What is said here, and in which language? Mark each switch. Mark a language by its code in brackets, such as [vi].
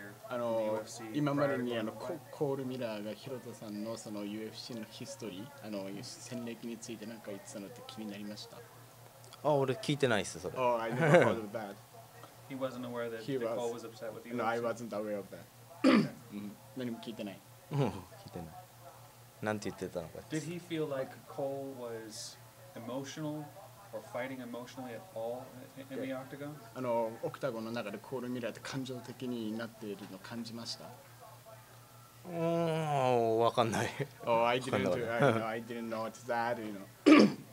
[ja] あの今までにあのコールミラーがヒロトさんのその UFC のヒストリー、あの戦歴について何か言ってたのって気になりました？あ、俺聞いてないっす、それ。 [en] Oh, I never heard of that. He wasn't aware that Cole was upset with you. No, I wasn't aware of that. [ja] 何も聞いてない。聞いてない。なんて言ってたのか。 [en] Did he feel like Cole was emotional? Or fighting emotionally at all in the octagon? [ja] あの、オクタゴンの中でコールミラーって感情的になっているの感じました？わかんない。 [en] Oh, I didn't do, I didn't know what's that, you know.